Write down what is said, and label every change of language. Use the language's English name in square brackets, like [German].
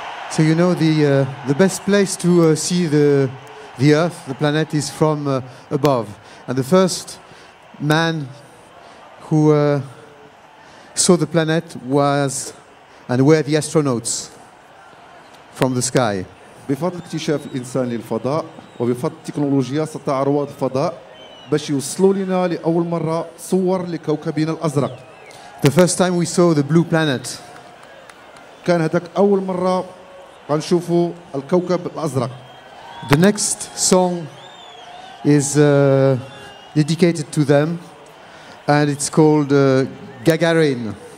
[English] So you know the best place to see the Earth, the planet, is from above. And the first man who saw the planet was and were the astronauts from the sky. [Arabic] بفضل اكتشاف الإنسان للفضاء وبفضل تكنولوجيا استطاع رواد الفضاء باش يوصلوا لنا لأول مرة صور لكوكبنا الأزرق. [English] The first time we saw the blue planet. [Arabic] كان هذاك أول مرة غنشوفوا الكوكب الأزرق. [English] The next song is dedicated to them and it's called Gagarin.